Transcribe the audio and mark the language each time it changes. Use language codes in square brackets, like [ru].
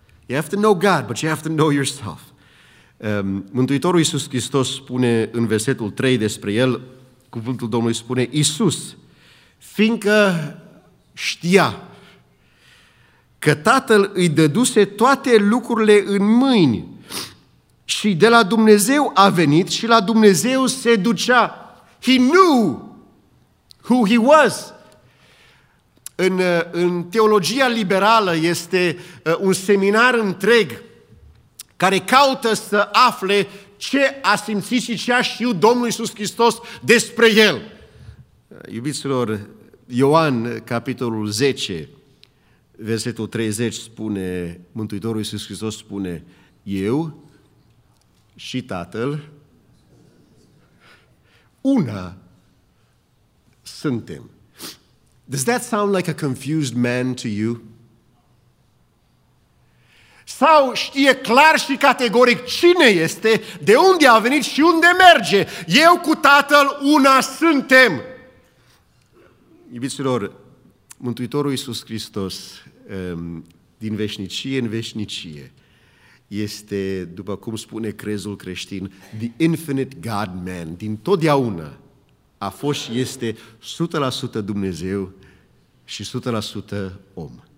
[en] You have to know God, but you have to know yourself. [ro] Mântuitorul Iisus Hristos spune în versetul 3 despre El, cuvântul Domnului spune, Iisus, fiindcă știa că Tatăl îi dăduse toate lucrurile în mâini și de la Dumnezeu a venit și la Dumnezeu se ducea. [en] He knew who he was. [ro] În teologia liberală este un seminar întreg care caută să afle ce a simțit și ce a știut Domnul Iisus Hristos despre el. Iubiților, Ioan, capitolul 10, versetul 30, spune, Mântuitorul Iisus Hristos spune, eu și Tatăl, una suntem. [en] Does that sound like a confused man to you? [ro] Sau știe clar și categoric cine este, de unde a venit și unde merge? Eu cu Tatăl una suntem. Iubiților, Mântuitorul Iisus Hristos, din veșnicie în veșnicie, este, după cum spune crezul creștin, [en] the infinite God-man, [ro] din totdeauna a fost și este 100% Dumnezeu și 100% om.